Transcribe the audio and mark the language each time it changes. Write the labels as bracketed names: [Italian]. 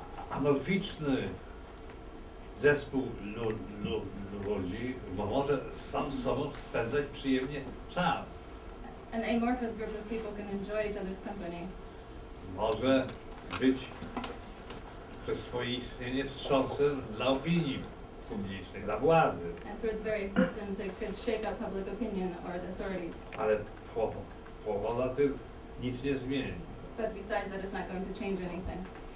[Polish] Amorficzny zespół ludzi może sam sobą spędzać przyjemnie czas. [English] An amorphous group of people can enjoy each other's company. [Polish] Może być przez swoje istnienie wstrząsem dla opinii publicznej, dla władzy. [English] And through its very existence it could shake up public opinion or the authorities. [Polish] Ale powoza tym nic nie zmieni. [English] But besides that it's not going to change anything.